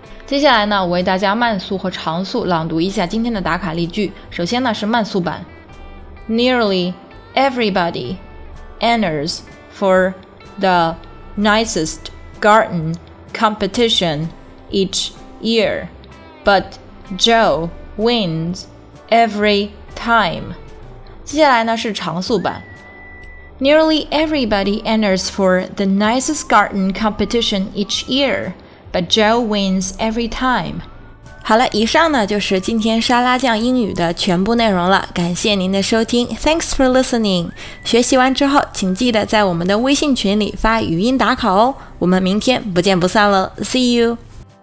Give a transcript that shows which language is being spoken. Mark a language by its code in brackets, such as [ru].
[zh] 接下来呢，我为大家慢速和长速朗读一下今天的打卡例句。首先呢是慢速版。 [en] Nearly everybody enters for the nicest garden competition each year, but Joe wins every time. 接下来呢是长速版。 Nearly everybody enters for the nicest garden competition each year,But Joe wins every time. [zh] 好了，以上呢就是今天沙拉酱英语的全部内容了。感谢您的收听 ， [en] Thanks for listening. [zh] 学习完之后，请记得在我们的微信群里发语音打卡哦。我们明天不见不散了 ， [en] See you.